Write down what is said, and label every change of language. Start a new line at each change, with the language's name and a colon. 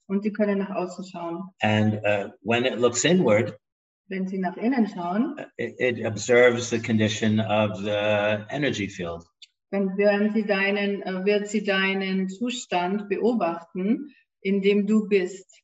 German: Und sie können nach außen schauen.
English: And when it looks inward,
German: wenn sie nach innen schauen,
English: it observes the condition of the energy field.
German: Dann wird sie deinen Zustand beobachten, in dem du bist.